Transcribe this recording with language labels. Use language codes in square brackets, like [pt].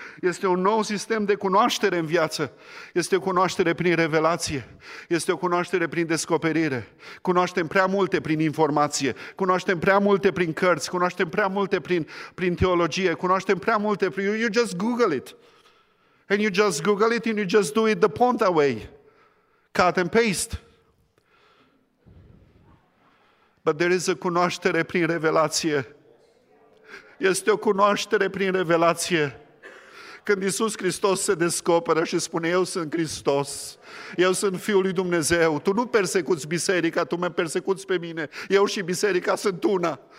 [ro] Este un nou sistem de cunoaștere în viață. Este o cunoaștere prin revelație. Este o cunoaștere prin descoperire. Cunoaștem prea multe prin informație. Cunoaștem prea multe prin cărți. Cunoaștem prea multe prin teologie. Cunoaștem prea multe prin... [en] You just Google it. And you just Google it and you just do it the Ponta way. Cut and paste. But there is a [ro] cunoaștere prin revelație. Este o cunoaștere prin revelație. Când Iisus Hristos se descoperă și spune, eu sunt Hristos, eu sunt Fiul lui Dumnezeu, tu nu persecuți biserica, tu mă persecuți pe mine, eu și biserica sunt una.